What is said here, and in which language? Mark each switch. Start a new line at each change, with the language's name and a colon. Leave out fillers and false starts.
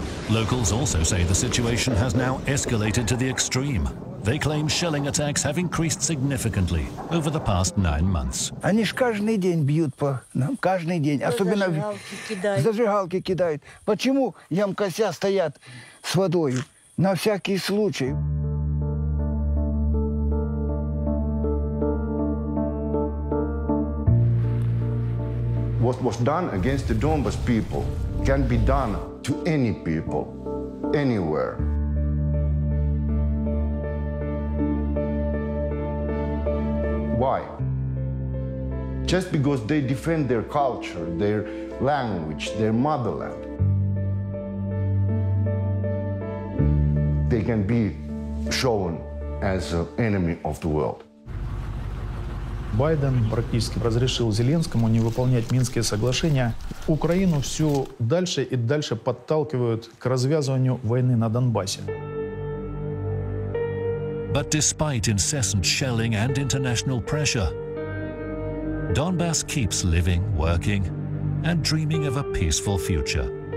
English: Locals also say the situation has now escalated to the extreme. They claim shelling attacks have increased significantly over the past 9 months.
Russian: Они ж каждый день бьют по нам, каждый день. Особенно зажигалки кидают. Почему ямкося стоят с водой? На всякий случай.
English: What was done against the Donbas people can be done to any people, anywhere. Why? Just because they defend their culture, their language, their motherland. They can be shown as an enemy of the world.
Russian: Байден практически разрешил Зеленскому не выполнять Минские соглашения. Украину все дальше и дальше подталкивают к развязыванию войны на Донбассе.
English: But despite incessant shelling and international pressure, Donbass keeps living, working, and dreaming of a peaceful future.